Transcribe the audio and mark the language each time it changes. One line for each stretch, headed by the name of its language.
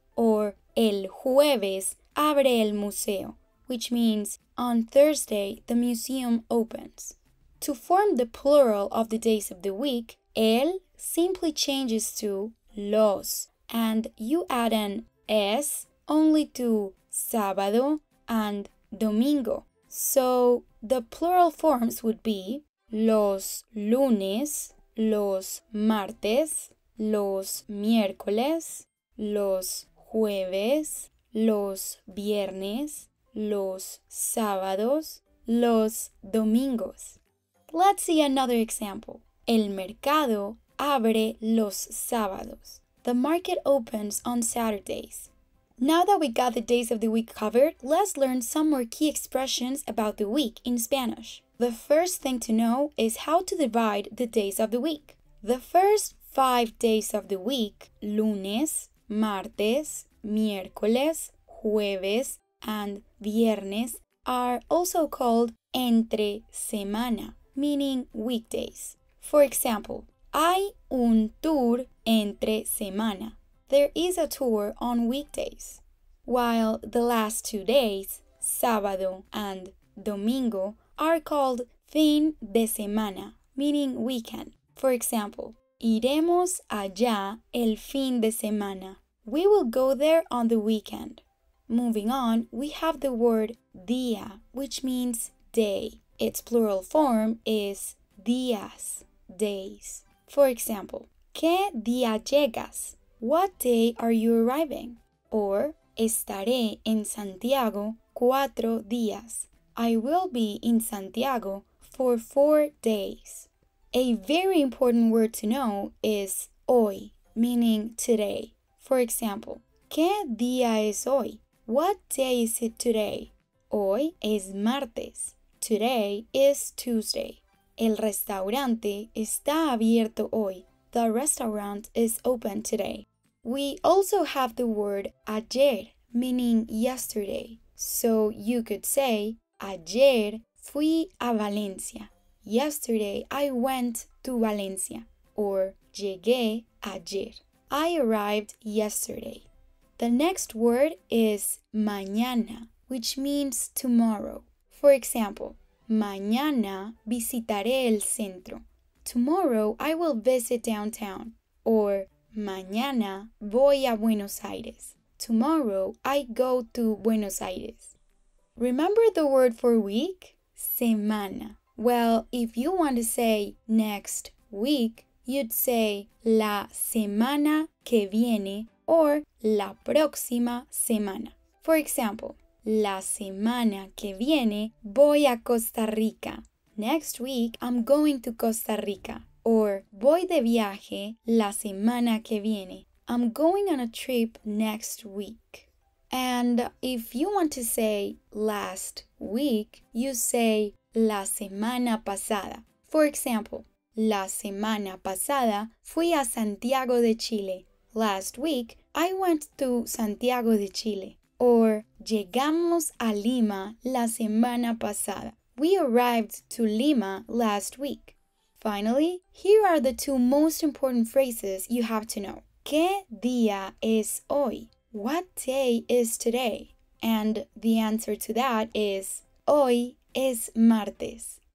English: Or
Spanish: el jueves abre el museo,
English: which means on Thursday the museum opens. To form the plural of the days of the week, el simply changes to los, and you add an s only to sábado and domingo. So the plural forms would be
Spanish: los lunes, los martes, los miércoles, los jueves, los viernes, los sábados, los domingos.
English: Let's see another example.
Spanish: El mercado abre los sábados.
English: The market opens on Saturdays. Now that we got the days of the week covered, let's learn some more key expressions about the week in Spanish. The first thing to know is how to divide the days of the week. The first 5 days of the week, lunes, martes, miércoles, jueves, and viernes, are also called entre semana, meaning weekdays. For example,
Spanish: hay un tour entre semana.
English: There is a tour on weekdays. While the last 2 days, sábado and domingo, are called fin de semana, meaning weekend. For example,
Spanish: iremos allá el fin de semana.
English: We will go there on the weekend. Moving on, we have the word día, which means day. Its plural form is días, days. For example,
Spanish: ¿qué día llegas?
English: What day are you arriving?
Spanish: Or, estaré en Santiago 4 días.
English: I will be in Santiago for 4 days. A very important word to know is hoy, meaning today. For example,
Spanish: ¿qué día es hoy?
English: What day is it today?
Spanish: Hoy es martes.
English: Today is Tuesday.
Spanish: El restaurante está abierto hoy.
English: The restaurant is open today. We also have the word ayer, meaning yesterday. So you could say,
Spanish: ayer fui a Valencia.
English: Yesterday I went to Valencia. Or
Spanish: llegué ayer.
English: I arrived yesterday. The next word is mañana, which means tomorrow. For example,
Spanish: mañana visitaré el centro.
English: Tomorrow I will visit downtown.
Spanish: Or mañana voy a Buenos Aires.
English: Tomorrow I go to Buenos Aires. Remember the word for week? Semana. Well, if you want to say next week, you'd say
Spanish: la semana que viene
English: or
Spanish: la próxima semana.
English: For example,
Spanish: la semana que viene voy a Costa Rica.
English: Next week, I'm going to Costa Rica.
Spanish: Or, voy de viaje la semana que viene.
English: I'm going on a trip next week. And if you want to say last week, you say
Spanish: la semana pasada.
English: For example,
Spanish: la semana pasada fui a Santiago de Chile.
English: Last week, I went to Santiago de Chile.
Spanish: Or, llegamos a Lima la semana pasada.
English: We arrived to Lima last week. Finally, here are the two most important phrases you have to know.
Spanish: ¿Qué día es hoy?
English: What day is today? And the answer to that is,
Spanish: hoy es martes.